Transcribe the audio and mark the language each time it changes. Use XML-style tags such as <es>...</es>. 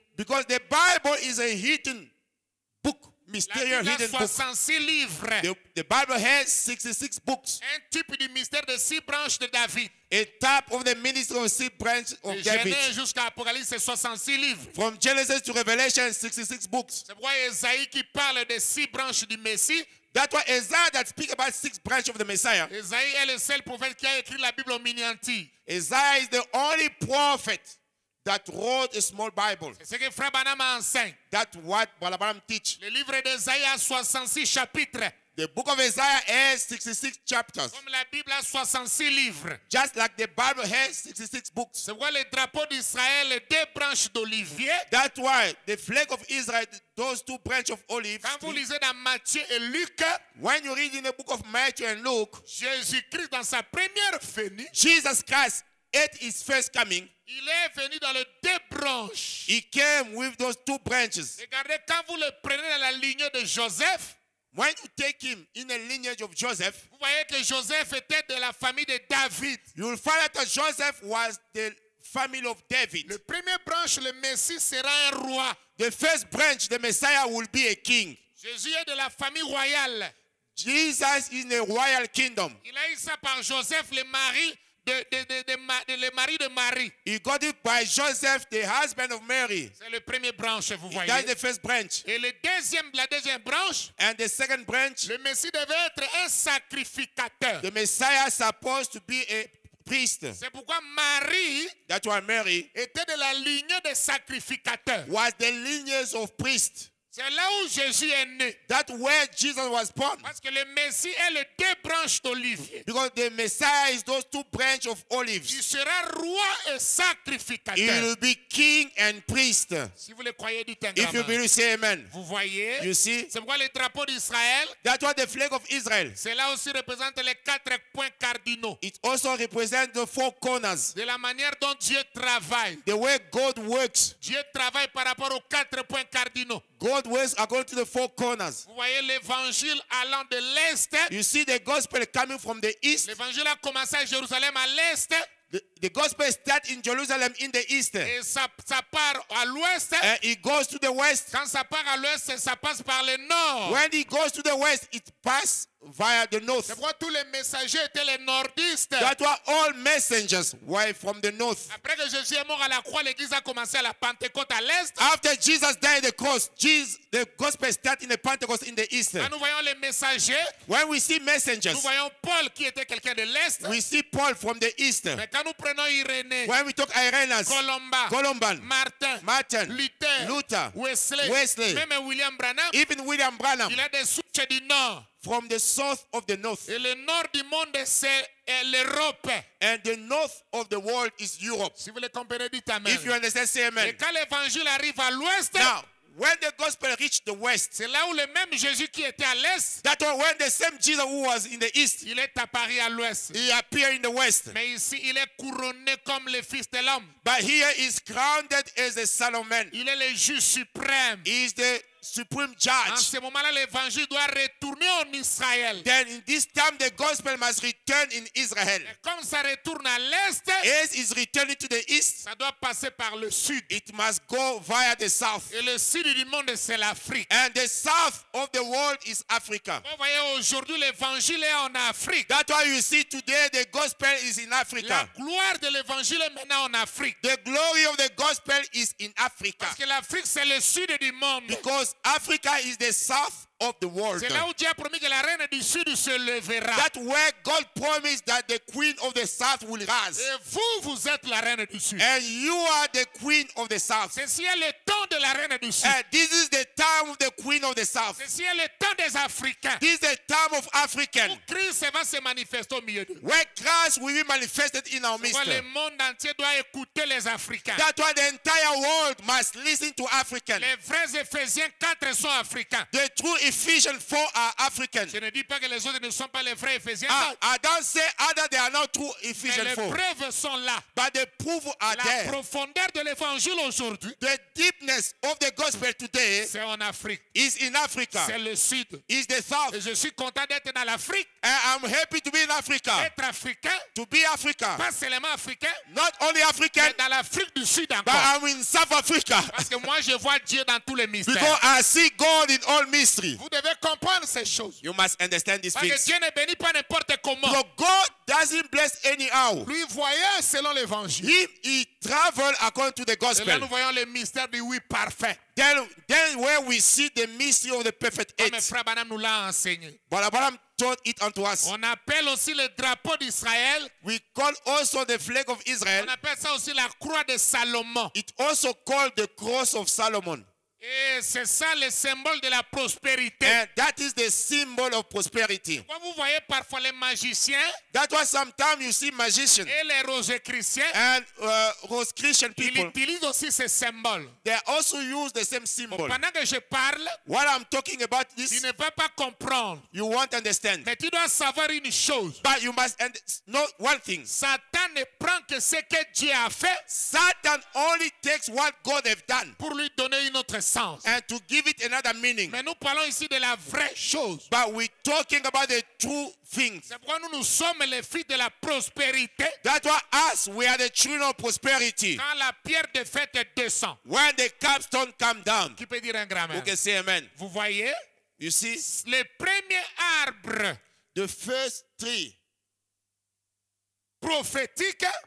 <en>Because the Bible is a hidden book, mysterious hidden book.</en> <fr>La Bible a 66 livres.</fr> <en>The Bible has 66 books.</en> <fr>Un type du mystère de six branches de David.</fr> <en>A type of the ministry of six branches of David.</en> <fr>De Genèse jusqu'à Apocalypse, c'est 66 livres.</fr> <en>From Genesis to Revelation, 66 books.</en> <fr>C'est pourquoi Esaïe qui parle de six branches du Messie.</fr> <en>That's why Esaïe that speaks about six branches of the Messiah.</en> <fr>Esaïe est le seul prophète qui a écrit la Bible en miniature.</fr> <en>Esaïe is the only prophet that wrote a small Bible.</en> <fr>C'est ce que Frère Branham enseigne.</fr> <en>That's what Brother Branham teach.</en> <fr>Le livre d'Esaïe a 66 chapitres.</fr> <en>The book of Isaiah has 66 chapters.</en> <fr>Comme la Bible a 66 livres.</fr> <en>Just like the Bible has 66 books.</en> <fr>C'est pourquoi le drapeau d'Israël est deux branches d'olivier.</fr> <en>That's why the flag of Israel, those two branches of olive.</en> <fr>Quand vous lisez dans Matthieu et Luc,</fr> <en>when you read in the book of Matthew and Luke,</en> <fr>Jésus-Christ dans sa première venue,</fr> <en>Jesus Christ at his first coming,</en> <fr>il est venu dans les deux branches.</fr> <en>He came with those two branches.</en> <fr>Regardez, quand vous le prenez dans la lignée de Joseph,</fr> <en>when you take him in the lineage of Joseph,</en> <fr>vous voyez que Joseph était de la famille de David.</fr> <en>You will find that Joseph was the family of David.</en> <fr>Le premier branche, le Messie sera un roi.</fr> <en>The first branch, the Messiah will be a king.</en> <fr>Jésus est de la famille royale.</fr> <en>Jesus is in a royal kingdom.</en> <fr>Il a eu ça par Joseph, le mari. De mari de Marie.</fr> <en>He got it by Joseph, the husband of Mary.</en> <fr>C'est le premier branche, vous voyez.</fr> <en>That's the first branch.</en> <fr>Et la deuxième branche.</fr> <en>And the second branch.</en> <fr>Le Messie devait être un sacrificateur.</fr> <en>The Messiah is supposed to be a priest.</en> <fr>C'est pourquoi Marie.</fr> <en>That's why Mary.</en> <fr>Était de la lignée des sacrificateurs.</fr> <en>Was the lineage of priests.</en> <fr>C'est là où Jésus est né.</fr> <en>That's where Jesus was born.</en> <fr>Parce que le Messie est les deux branches d'olivier.</fr> <en>Because the Messiah is those two branches of olives.</en> <fr>Il sera roi et sacrificateur.</fr> <en>He will be king and priest.</en> <fr>Si vous le croyez, dites un</fr> <en>grand. If you believe, say amen.</en> <fr>Vous voyez?</fr> <en>You see?</en> <fr>C'est pourquoi le drapeau d'Israël.</fr> <en>That's why the flag of Israel.</en> <fr>C'est là aussi représente les quatre points cardinaux.</fr> <en>It also represents the four corners.</en> <fr>De la manière dont Dieu travaille.</fr> <en>The way God works.</en> <fr>Dieu travaille par rapport aux quatre points cardinaux.</fr> <en>God ways are going to the four corners.</en> <fr>Vous voyez l'évangile allant de l'est.</fr> <en>You see the gospel coming from the east.</en> <fr>L'évangile a commencé à Jérusalem à l'est.</fr> <en>The gospel starts in Jerusalem in the east.</en> <fr>Et ça part à l'ouest.</fr> <en>And it goes to the west.</en> <fr>Quand ça part à l'ouest, ça passe par le nord.</fr> <en>When it goes to the west, it passes via the north.</en> <fr>C'est pourquoi tous les messagers étaient les nordistes.</fr> <en>That's why all messengers were from the north.</en> <fr>Après que Jésus est mort à la croix, l'église a commencé à la Pentecôte à l'est.</fr> <en>After Jesus died the cross, the gospel started in the Pentecost in the east.</en> <fr>Quand nous voyons les messagers,</fr> <en>when we see messengers,</en> <fr>nous voyons Paul qui était quelqu'un de l'est.</fr> <en>We see Paul from the east.</en> <fr>Mais quand nous prenons Irénée,</fr> <en>when we talk Irenaeus,</en> <fr>Columban, Martin, Luther, Wesley, même William Branham,</fr> <en>even William Branham,</en> <fr>il a des souches du nord.</fr> <en>From the south of the north.</en> <fr>Et le nord du monde, c'est l'Europe.</fr> <en>And the north of the world is Europe.</en> <fr>Si vous le comprenez, dites amen.</fr> <en>If you understand, say amen.</en> <fr>Et quand l'évangile arrive à l'ouest,</fr> <en>now, when the gospel reached the west,</en> <fr>c'est là où le même Jésus qui était à l'est,</fr> <en>that was when the same Jesus who was in the east,</en> <fr>il est apparu à l'ouest.</fr> <en>He appeared in the west.</en> <fr>Mais ici, il est couronné comme le Fils de l'homme.</fr> <en>But here is crowned as the Son of Man.</en> <fr>Il est le juge suprême.</fr> <en>He is the supreme judge.</en> <fr>En ce moment-là, l'évangile doit retourner en Israël.</fr> <en>Then in this time, the gospel must return in Israel.</en> <fr>Et comme ça retourne à l'est,</fr> <en>as it's returning to the east,</en> <fr>ça doit passer par le sud.</fr> <en>It must go via the south.</en> <fr>Et le sud du monde, c'est l'Afrique.</fr> <en>And the south of the world is Africa.</en> <fr>Vous voyez, aujourd'hui, l'évangile est en Afrique.</fr> <en>That's why you see today the gospel is in Africa.</en> <fr>La gloire de l'évangile est maintenant en Afrique.</fr> <en>The glory of the gospel is in Africa.</en> <fr>Parce que l'Afrique, c'est le sud du monde.</fr> <en>Because Africa is the south of the world.</en> <fr>C'est là où Dieu a promis que la reine du sud se levera.</fr> <en>That's where God promised that the queen of the south will rise.</en> <fr>Et vous, vous êtes la reine du sud.</fr> <en>And you are the queen of the south.</en> <fr>Ceci est le temps de la reine du sud.</fr> <en>And this is the time of the queen of the south.</en> <fr>Ceci est le temps des Africains.</fr> <en>This is the time of Africans.</en> <fr>Où Christ va se manifester au milieu d'eux.</fr> <en>Where Christ will be manifested in our midst.</en> <fr>Le monde entier doit écouter les Africains.</fr> <en>That's why the entire world must listen to Africans.</en> <fr>Les vrais Ephésiens 4 sont Africains.</fr> <en>The true Ephesians 4 are African.</en> <fr>Je ne dis pas que les autres ne sont pas les vrais Ephésiens.</fr> <en>I don't say other they are not true Ephesians 4.</en> <fr>Mais les preuves sont là.</fr> <en>But the proof are there.</en> <fr>La profondeur de l'évangile aujourd'hui.</fr> <en>The deepness of the gospel today.</en> <fr>C'est en Afrique.</fr> <en>Is in Africa.</en> <fr>C'est le sud.</fr> <en>Is the south.</en> <fr>Et je suis content d'être dans l'Afrique.</fr> <en>And I'm happy to be in Africa.</en> <fr>Être africain.</fr> <en>To be African.</en> <fr>Pas seulement africain.</fr> <en>Not only African.</en> <fr>Mais dans l'Afrique du sud encore.</fr> <en>But I'm in South Africa.</en> <fr>Parce que moi je vois Dieu dans tous les mystères.</fr> <en>Because I see God in all mysteries.</en> <fr>Vous devez comprendre ces choses.</fr> <en>You must understand these</en> <fr>parce</fr> <en>things.</en> <fr>Que Dieu ne bénit pas n'importe comment.</fr> <en>So God doesn't bless anyhow.</en> <fr>Lui voyant selon l'évangile.</fr> <en>He travels according to the gospel.</en> <fr>Et là nous voyons le mystère du oui parfait.</fr> <en>Then where we see the mystery of the perfect age.</en> <fr>Comme frère Branham nous l'a enseigné.</fr> <en>But Abraham taught it unto us.</en> <fr>On appelle aussi le drapeau d'Israël.</fr> <en>We call also the flag of Israel.</en> <fr>On appelle ça aussi la croix de Salomon.</fr> <en>It also called the cross of Solomon.</en> <fr>Et c'est ça le symbole de la prospérité.</fr> <en>And that is the symbol of prosperity.</en> <fr>Quand vous voyez parfois les magiciens,</fr> <en>that was sometimes you see magicians.</en> <fr>Et les rosicriens,</fr> <en>and Rosicrucian people.</en> <fr>Ils utilisent aussi ces symboles.</fr> <en>They also use the same symbol.</en> <fr>Pendant que je parle,</fr> <en>while I'm talking about this,</en> <fr>tu ne vas pas comprendre.</fr> <en>You won't understand.</en> <fr>Mais tu dois savoir une chose.</fr> <en>But you must know one thing.</en> <fr>Satan ne prend que ce que Dieu a fait.</fr> <en>Satan only takes what God has done.</en> <fr>Pour lui donner une autre.</fr> <en>And to give it another meaning.</en> <fr>Mais nous parlons ici de la vraie chose.</fr> <en>But we're talking about the true things.</en> <fr>C'est pourquoi nous sommes les filles de la prospérité.</fr> <en>That's why us, we are the children of prosperity.</en> <fr>Quand la pierre de fête descend.</fr> <en>When the capstone comes down.</en> <fr>Qui peut dire un grand amen?</fr> <en>Who can say amen?</en> <fr>Vous voyez?</fr> <en>You see?</en> <fr>Le premier arbre.</fr> <en>The first tree.</en> <fr>Prophétique.</fr>